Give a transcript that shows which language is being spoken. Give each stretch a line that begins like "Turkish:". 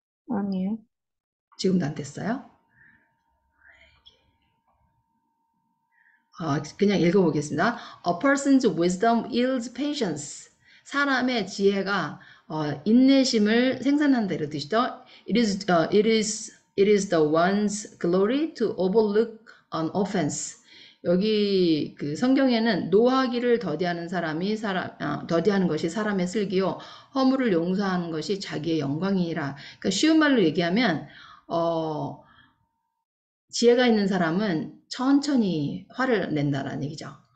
Korean: 아니요. 지금도 안 됐어요? 그냥 읽어보겠습니다.
English: A person's wisdom yields patience.
Korean: 사람의 지혜가 인내심을 생산한다 이랬듯이죠.
English: It is the one's glory to overlook an offense.
Korean: 여기 그 성경에는 노하기를 더디하는 사람이 더디하는 것이 사람의 슬기요, 허물을 용서하는 것이 자기의 영광이니라. 그러니까 쉬운 말로 얘기하면 지혜가 있는 사람은 천천히 화를 낸다라는 얘기죠.